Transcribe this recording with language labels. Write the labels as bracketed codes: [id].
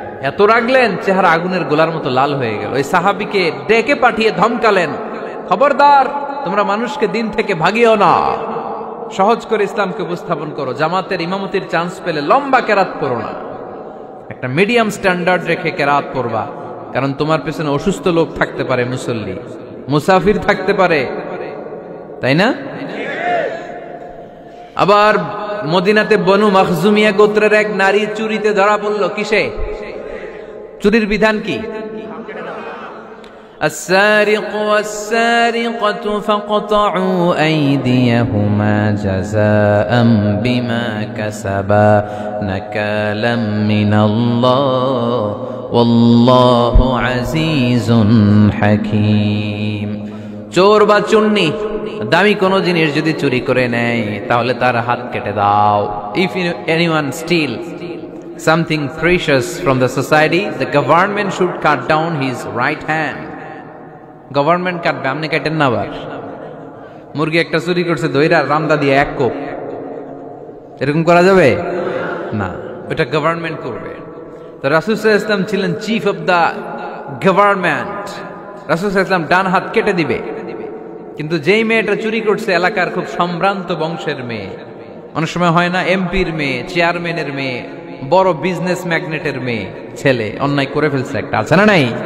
[bn] এত রাগলেন চেহারা আগুনের গোলার মতো লাল হয়ে গেল। ওই সাহাবিকে ডেকে পাঠিয়ে ধমকালেন, খবরদার তোমরা মানুষকে দিন থেকে ভাগিও না, সহজ করে ইসলামকে উপস্থাপন করো, জামাতের ইমামতির চান্স পেলে লম্বা কেরাত পড়ো না, একটা মিডিয়াম স্ট্যান্ডার্ড রেখে কেরাত পড়বা, কারণ তোমার পেছনে অসুস্থ লোক থাকতে পারে, মুসল্লি মুসাফির থাকতে পারে, তাই না? আবার মদিনাতে বনু মখজুমিয়া গোত্রের এক নারী চুরিতে ধরা পড়লো, কিসে? চুরির বিধান কি? [ar] السارق والسارقة فقطعوا أيديهما جزاء بما كسبا نكالا من الله والله عزيز حكيم. [bn] চোর বা চুন্নি দামি কোন জিনিস যদি চুরি করে নেয় তাহলে তার হাত কেটে দাও। [en] If anyone steals something precious from the society, the government should cut down his right hand. [bn] Government কাটবে, আপনি কাটেন না। আবার মুরগি একটা চুরি করছে দইরা রামদা দিয়ে এক কোপ, এরকম করা যাবে না, ওটা গভর্নমেন্ট করবে। তো রাসূল ইসলাম ছিলেন চিফ অফ দা গভর্নমেন্ট, রাসূল ইসলাম ডান হাত কেটে দিবে, কিন্তু যেই মেয়েটা চুরি করছে এলাকার খুব সম্ভ্রান্ত বংশের মেয়ে, অনেক সময় হয় না এমপির মেয়ে, চেয়ারম্যানের মেয়ে, বড় বিজনেস ম্যাগনেটের মেয়ে, ছেলে অন্যায় করে ফেলছে একটা, আছে না নাই?